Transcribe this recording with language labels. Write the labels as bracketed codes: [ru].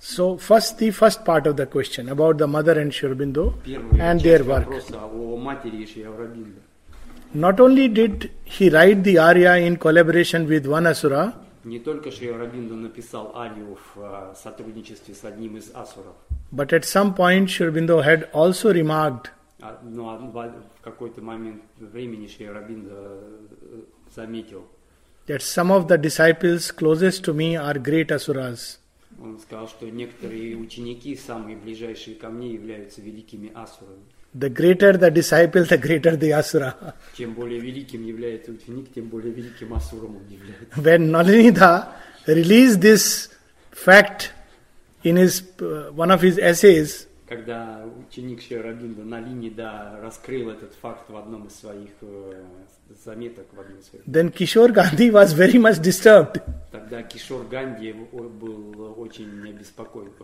[en] So first, the first part of the question about the mother and Sri Aurobindo and their work. [ru] О матери Sri Aurobindo. [en] Not only did he write the Arya in collaboration with one Asura. [ru] Не только Шри Аурабиндо написал Арию в сотрудничестве с одним из Асуров. [en] But at some point Шри Аурабиндо had also remarked. [ru] Но в какой-то момент времени Шри Аурабиндо заметил. [en] That some of the disciples closest to me are great Asuras. [ru] Он сказал, что некоторые ученики, самые ближайшие ко мне, являются великими Асурами. [en] The greater the disciple, the greater the asura. [ru] Чем более великим является ученик, тем более великим асуром он является. [en] When Nalinidha released this fact in his one of his essays, [ru] когда ученик Шри Аурабиндо Налинида раскрыл этот факт в одном из своих заметок, в одном из своих. [en] Then Kishore Gandhi was very much disturbed. [ru] Тогда Кишор Ганди был очень обеспокоен.